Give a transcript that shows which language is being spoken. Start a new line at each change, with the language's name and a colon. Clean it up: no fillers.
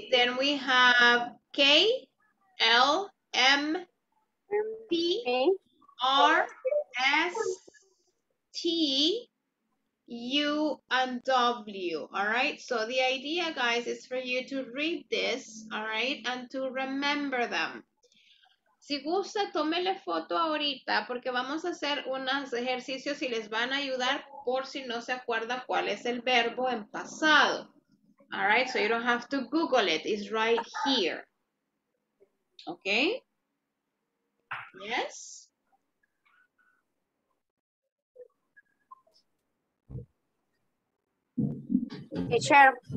English: Then we have K, L, M, P, R, S, T, U, and W, all right? So the idea, guys, is for you to read this, all right? And to remember them.
Spanish: Si gusta, tómele foto ahorita porque vamos a hacer unos ejercicios y les van a ayudar por si no se acuerda cuál es el verbo en pasado.
English: All right, so you don't have to Google it. It's right here. Okay? Yes? Hey, Cher.